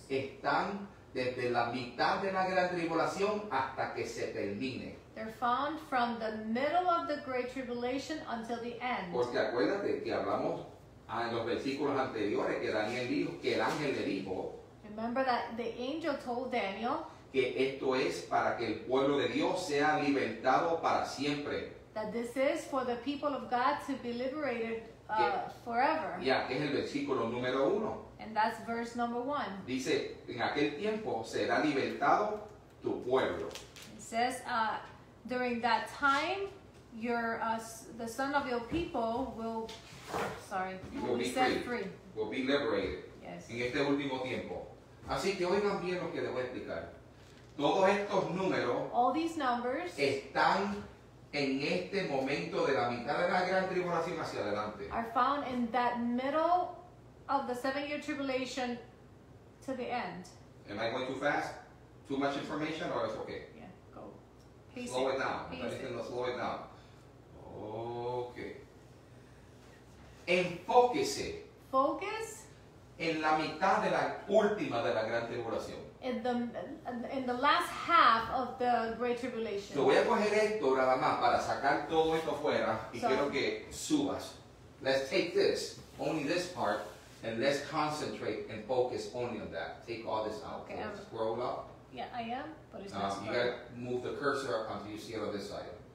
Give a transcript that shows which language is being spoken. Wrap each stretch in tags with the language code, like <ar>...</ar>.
<es>Están desde la mitad de la gran tribulación hasta que se termine.</es> <en>They're found from the middle of the great tribulation until the end.</en> <es>Porque acuérdate que hablamos en los versículos anteriores que Daniel dijo, que el ángel le dijo.</es> <en>Remember that the angel told Daniel.</en> <es>Que esto es para que el pueblo de Dios sea libertado para siempre.</es> <en>That this is for the people of God to be liberated forever.</en> <es>Ya, que es el versículo número uno.</es> <en>And that's verse number one.</en> <es>Dice, en aquel tiempo será libertado tu pueblo.</es> <en>It says, during that time, the son of your people will be set free. Will be liberated. Yes.</en> <es>En este último tiempo. Así que oigan bien lo que les voy a explicar. Todos estos números.</es> <en>All these numbers.</en> <es>Están en este momento de la mitad de la gran tribulación hacia adelante.</es> <en>Are found in that middle of the 7-year tribulation to the end. Am I going too fast? Too much information or it's okay? Slow it down. Slow it down. Okay.</en> <es>Enfóquese.</es> <en>Focus.</en> <es>En la mitad de la última de la gran tribulación.</es> <en>In the last half of the great tribulation.</en> <es>Te voy a coger esto nada más para sacar todo esto fuera y quiero que subas.</es> <en>Let's take this, only this part, and let's concentrate and focus only on that. Take all this out. Okay. Scroll up. Yeah, I am, but it's not. You got to move the cursor up until you see it on this side.</en>